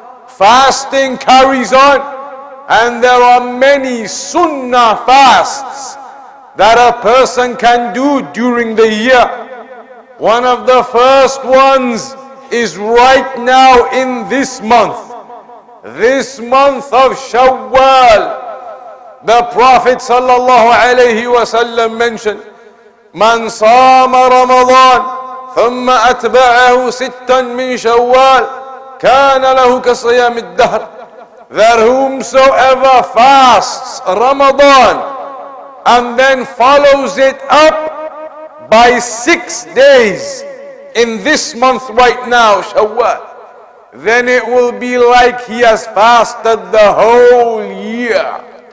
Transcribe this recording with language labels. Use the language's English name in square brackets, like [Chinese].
[English] Fasting carries on, and there are many sunnah fasts that a person can do during the year. One of the first ones is right now in this month of Shawwal. The Prophet sallallahu alayhi wa sallam mentioned, [Arabic] من صام رمضان ثم أتبعه ستا من شوال كان له كصيام الدهر. [English] That whomsoever fasts Ramadan and then follows it up by 6 days in this month right now, Shawwal, then it will be like he has fasted the whole year.